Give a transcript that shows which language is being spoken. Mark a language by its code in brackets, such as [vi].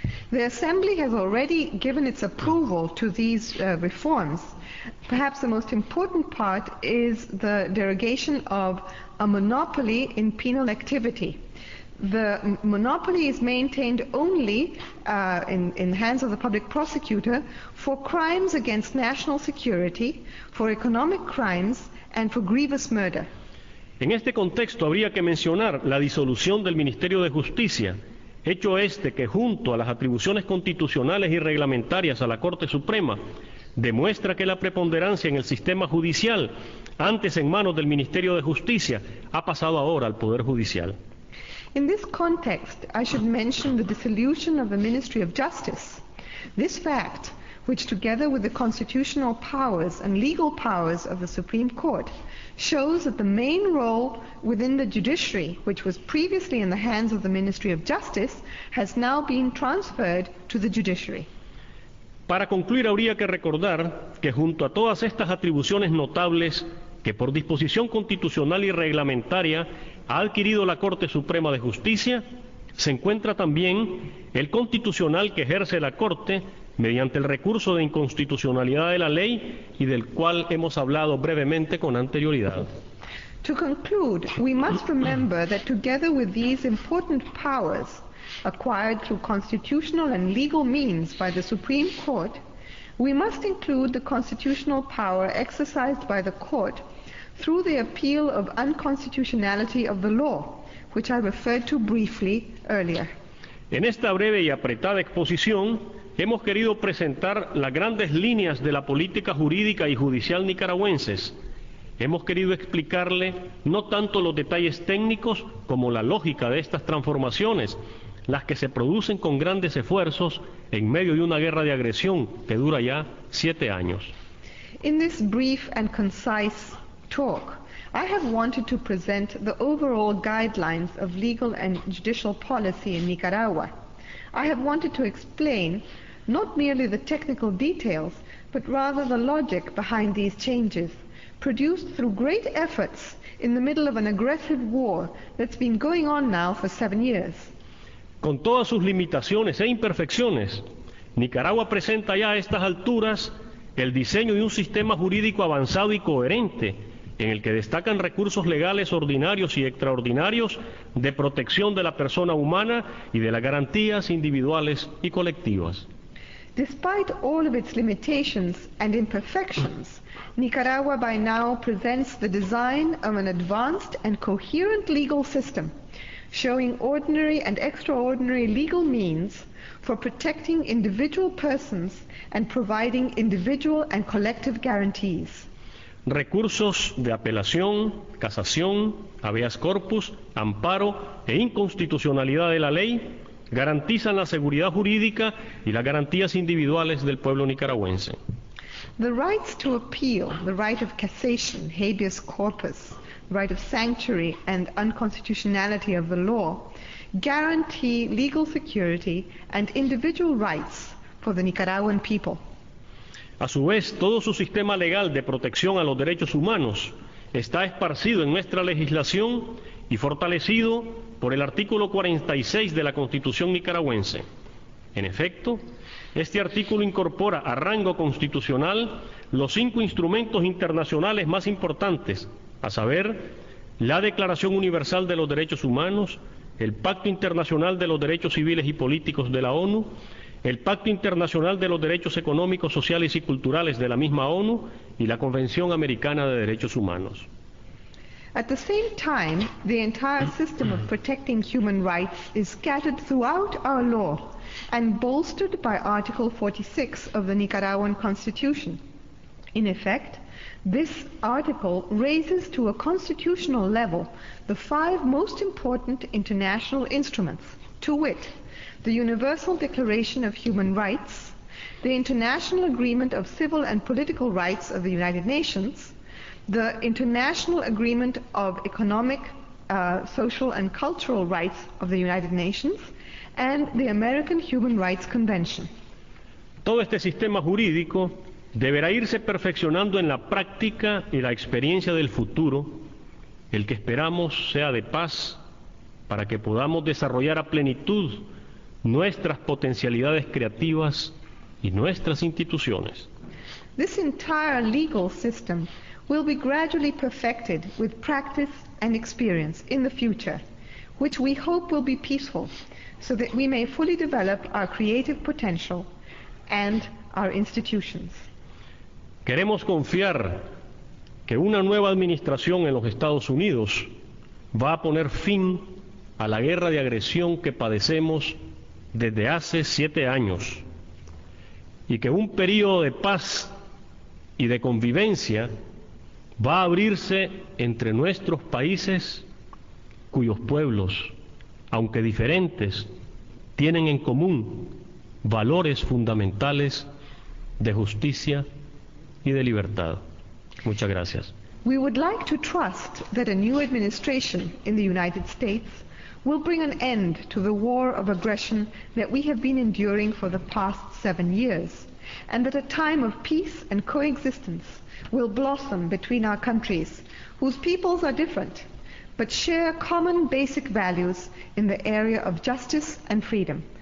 [en] The Assembly has already given its approval to these reforms. Perhaps the most important part is the derogation of a monopoly in penal activity. The monopoly is maintained only in the hands of the public prosecutor for crimes against national security, for economic crimes, and for grievous murder. [es] En este contexto habría que mencionar la disolución del Ministerio de Justicia, hecho este que junto a las atribuciones constitucionales y reglamentarias a la Corte Suprema, demuestra que la preponderancia en el sistema judicial, antes en manos del Ministerio de Justicia, ha pasado ahora al Poder Judicial. [en] In this context, I should mention the dissolution of the Ministry of Justice. This fact, which together with the constitutional powers and legal powers of the Supreme Court, shows that the main role within the judiciary, which was previously in the hands of the Ministry of Justice, has now been transferred to the judiciary. [es] Para concluir, habría que recordar que junto a todas estas atribuciones notables que por disposición constitucional y reglamentaria ha adquirido la Corte Suprema de Justicia, se encuentra también el constitucional que ejerce la Corte mediante el recurso de inconstitucionalidad de la ley y del cual hemos hablado brevemente con anterioridad. [en] To conclude, we must remember that together with these important powers acquired through constitutional and legal means by the Supreme Court, we must include the constitutional power exercised by the Court through the appeal of unconstitutionality of the law, which I referred to briefly earlier. [es] En esta breve y apretada exposición, hemos querido presentar las grandes líneas de la política jurídica y judicial nicaragüenses. Hemos querido explicarle no tanto los detalles técnicos como la lógica de estas transformaciones, las que se producen con grandes esfuerzos en medio de una guerra de agresión que dura ya 7 años. [en] In this brief and concise talk, I have wanted to present the overall guidelines of legal and judicial policy in Nicaragua. I have wanted to explain not merely the technical details, but rather the logic behind these changes, produced through great efforts in the middle of an aggressive war that's been going on now for 7 years. [es] Con todas sus limitaciones e imperfecciones, Nicaragua presenta ya a estas alturas el diseño de un sistema jurídico avanzado y coherente, en el que destacan recursos legales ordinarios y extraordinarios de protección de la persona humana y de las garantías individuales y colectivas. [en] Despite all of its limitations and imperfections, Nicaragua by now presents the design of an advanced and coherent legal system, showing ordinary and extraordinary legal means for protecting individual persons and providing individual and collective guarantees. [es] Recursos de apelación, casación, habeas corpus, amparo e inconstitucionalidad de la ley garantizan la seguridad jurídica y las garantías individuales del pueblo nicaragüense. [en] The rights to appeal, the right of cassation, habeas corpus, right of sanctuary and unconstitutionality of the law, guarantee legal security and individual rights for the Nicaraguan people. [es] A su vez, todo su sistema legal de protección a los derechos humanos está esparcido en nuestra legislación y fortalecido por el artículo 46 de la Constitución nicaragüense. En efecto, este artículo incorpora a rango constitucional los 5 instrumentos internacionales más importantes, a saber, la Declaración Universal de los Derechos Humanos, el Pacto Internacional de los Derechos Civiles y Políticos de la ONU, el Pacto Internacional de los Derechos Económicos, Sociales y Culturales de la misma ONU y la Convención Americana de Derechos Humanos. [en] At the same time, the entire system of protecting human rights is scattered throughout our law and bolstered by Article 46 of the Nicaraguan Constitution. In effect, this article raises to a constitutional level the 5 most important international instruments, to wit, the Universal Declaration of Human Rights, the International Agreement of Civil and Political Rights of the United Nations, the International Agreement of Economic, Social and Cultural Rights of the United Nations, and the American Human Rights Convention. [es] Todo este sistema jurídico deberá irse perfeccionando en la práctica y la experiencia del futuro, el que esperamos sea de paz, para que podamos desarrollar a plenitud nuestras potencialidades creativas y nuestras instituciones. [en] This entire legal system will be gradually perfected with practice and experience in the future, which we hope will be peaceful, so that we may fully develop our creative potential and our institutions. [es] Queremos confiar que una nueva administración en los Estados Unidos va a poner fin a la guerra de agresión que padecemos desde hace 7 años y que un período de paz y de convivencia va a abrirse entre nuestros países cuyos pueblos, aunque diferentes, tienen en común valores fundamentales de justicia y de libertad. Muchas gracias. [en] We would like to trust that a new administration in the United States will bring an end to the war of aggression that we have been enduring for the past 7 years, and that a time of peace and coexistence will blossom between our countries, whose peoples are different, but share common basic values in the area of justice and freedom.